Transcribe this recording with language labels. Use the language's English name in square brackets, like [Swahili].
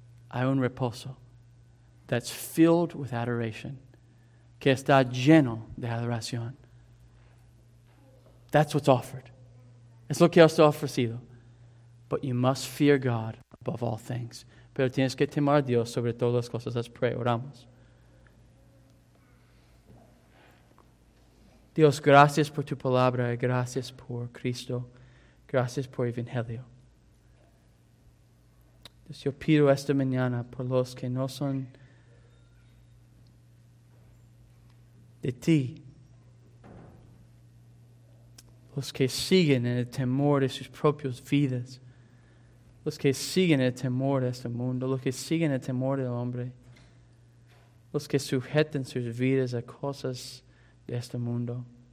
[Spanish] Hay un reposo [English] that's filled with adoration. [Spanish] Que está lleno de adoración. [English] That's what's offered. [Spanish] Es lo que está ofrecido. [English] But you must fear God above all things. [Spanish] Pero tienes que temer a Dios sobre todas las cosas. [English] Let's pray. [Spanish] Oramos. Dios, gracias por tu palabra. Gracias por Cristo. Gracias por el Evangelio. Dios, yo pido esta mañana por los que no son de ti, los que siguen en el temor de sus propias vidas, los que siguen el temor de este mundo, los que siguen el temor del hombre, los que sujetan sus vidas a cosas de este mundo.